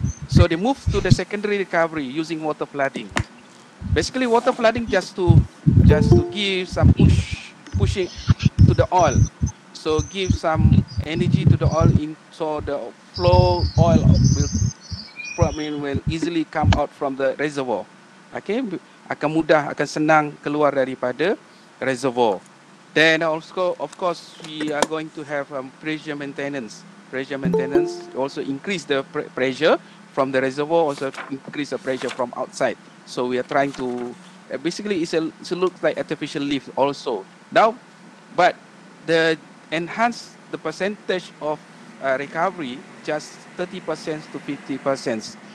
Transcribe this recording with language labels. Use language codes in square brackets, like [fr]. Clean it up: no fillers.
[en] So they move to the secondary recovery using water flooding. Basically, water flooding just to give some pushing to the oil, so give some energy to the oil, so the flow oil will easily come out from the reservoir. [ms] Okay, akan senang keluar daripada reservoir. [en] Then also, of course, we are going to have pressure maintenance. Pressure maintenance also increase the pressure from the reservoir, also increase the pressure from outside. So we are trying to Basically, it looks like artificial leaf also. Now, but the enhanced the percentage of recovery just 30% to 50%.